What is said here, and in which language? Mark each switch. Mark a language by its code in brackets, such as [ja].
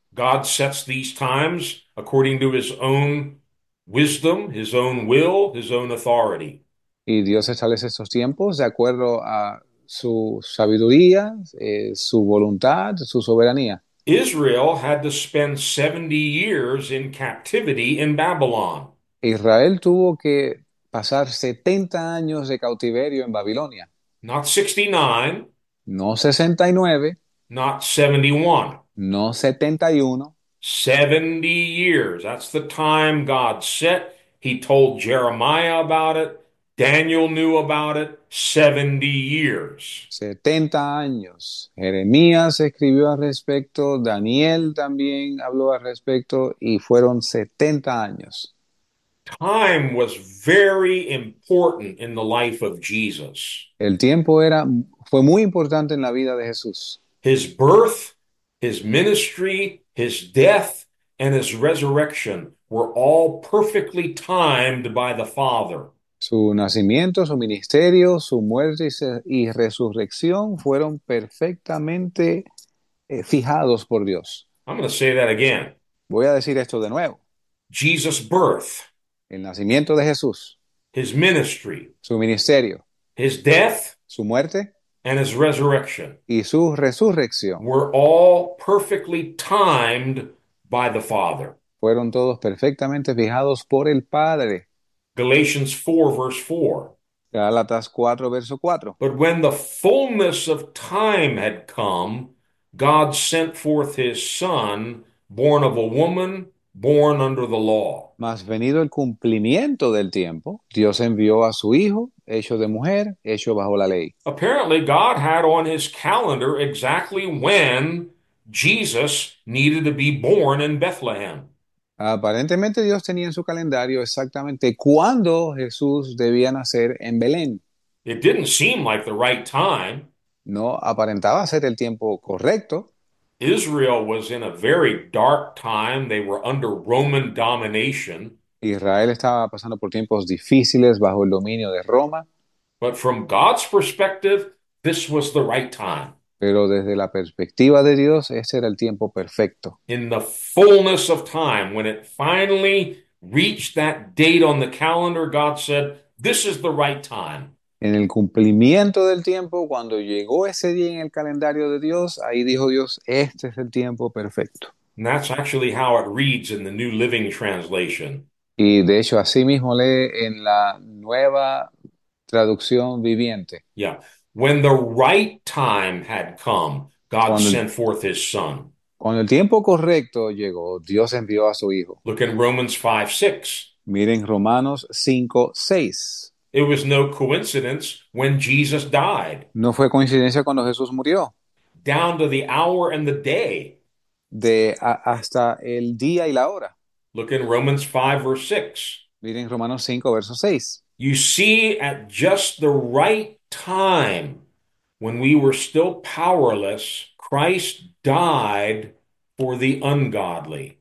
[en] God sets these times according to his own wisdom, his own will, his own authority. [es] Y Dios establece estos tiempos de acuerdo a su sabiduría, su voluntad, su soberanía. [en] Israel had to spend 70 years in captivity in Babylon. [es] Israel tuvo que pasar 70 años de cautiverio en Babilonia. [en] Not 69, [es] No 69. [en] not 71. [es] No 71. [en] 70 years. That's the time God set. He told Jeremiah about it. Daniel knew about it. 70 years. [es] 70 años. Jeremías escribió al respecto, Daniel también habló al respecto y fueron 70 años. [en] Time was very important in the life of Jesus. [es] El tiempo fue muy importante en la vida de Jesús. [en] His birth, his ministry, his death, and his resurrection were all perfectly timed by the Father. [es] Su nacimiento, su ministerio, su muerte y resurrección fueron perfectamente fijados por Dios. [en] I'm going to say that again. [es] Voy a decir esto de nuevo. [en] Jesus' birth, [es] El nacimiento de Jesús, [en] his ministry, [es] su ministerio, [en] his death, [es] su muerte [en] and his resurrection [es] y su resurrección [en] were all perfectly timed by the Father. [es] fueron todos perfectamente fijados por el Padre. [en] Galatians 4, verse 4. [es] Gálatas 4, verso 4. [en] But when the fullness of time had come, God sent forth his Son, born of a woman, born under the law. [es] Mas venido el cumplimiento del tiempo, Dios envió a su Hijo, hecho de mujer, hecho bajo la ley. [en] Apparently, God had on his calendar exactly when Jesus needed to be born in Bethlehem. [es] Aparentemente Dios tenía en su calendario exactamente cuándo Jesús debía nacer en Belén. [en] It didn't seem like the right time. [es] No aparentaba ser el tiempo correcto. [en] Israel was in a very dark time. They were under Roman domination. [es] Israel estaba pasando por tiempos difíciles bajo el dominio de Roma. [en] But from God's perspective, this was the right time. [es] Pero desde la perspectiva de Dios, ese era el tiempo perfecto. [en] In the fullness of time, when it finally reached that date on the calendar, God said, "This is the right time." [es] En el cumplimiento del tiempo, cuando llegó ese día en el calendario de Dios, ahí dijo Dios, este es el tiempo perfecto. [en] And that's actually how it reads in the New Living Translation. [es] Y de hecho, así mismo lee en la nueva traducción viviente. [en] Yeah, when the right time had come, God [es] Cuando [en] sent forth his Son. [es] el tiempo correcto llegó, Dios envió a su Hijo. [en] Look in Romans 5:6. [es] Miren Romanos 5, 6. [en] It was no coincidence when Jesus died. [es] No fue coincidencia cuando Jesús murió. [en] Down to the hour and the day. [es] Hasta el día y la hora. [en] Look in Romans 5:6. [es] Miren Romanos 5, verso 6. [en] You see, at just the right time, when we were still powerless, Christ died for the ungodly.